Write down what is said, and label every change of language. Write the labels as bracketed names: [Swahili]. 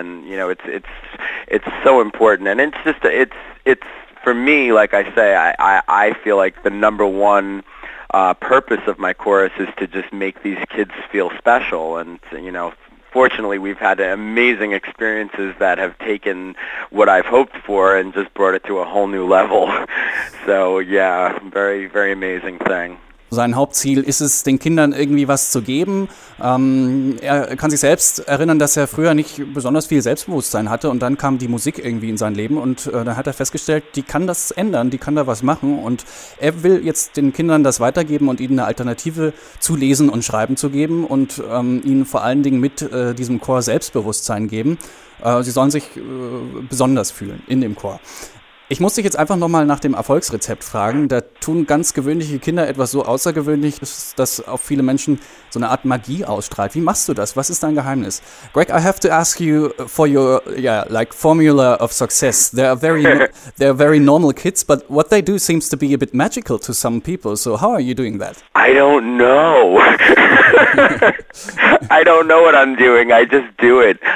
[English] And, you know, it's so important. And it's just, it's for me, like I say, I feel like the number one purpose of my chorus is to just make these kids feel special. And, you know, fortunately, we've had amazing experiences that have taken what I've hoped for and just brought it to a whole new level. So, yeah, very, very amazing thing. [German] Sein Hauptziel ist es, den Kindern irgendwie was zu geben. Er kann sich selbst erinnern, dass er früher nicht besonders viel Selbstbewusstsein hatte und dann kam die Musik irgendwie in sein Leben und dann hat er festgestellt, die kann das ändern, die kann da was machen und er will jetzt den Kindern das weitergeben und ihnen eine Alternative zu lesen und schreiben zu geben und ihnen vor allen Dingen mit diesem Chor Selbstbewusstsein geben. Sie sollen sich besonders fühlen in dem Chor. Ich muss dich jetzt einfach nochmal nach dem Erfolgsrezept fragen. Da tun ganz gewöhnliche Kinder etwas so Außergewöhnliches, dass auf viele Menschen so eine Art Magie ausstrahlt. Wie machst du das? Was ist dein Geheimnis? [English] Greg, I have to ask you for your, yeah, like formula of success. They're very normal kids, but what they do seems to be a bit magical to some people. So how are you doing that? I don't know. I don't know what I'm doing. I just do it.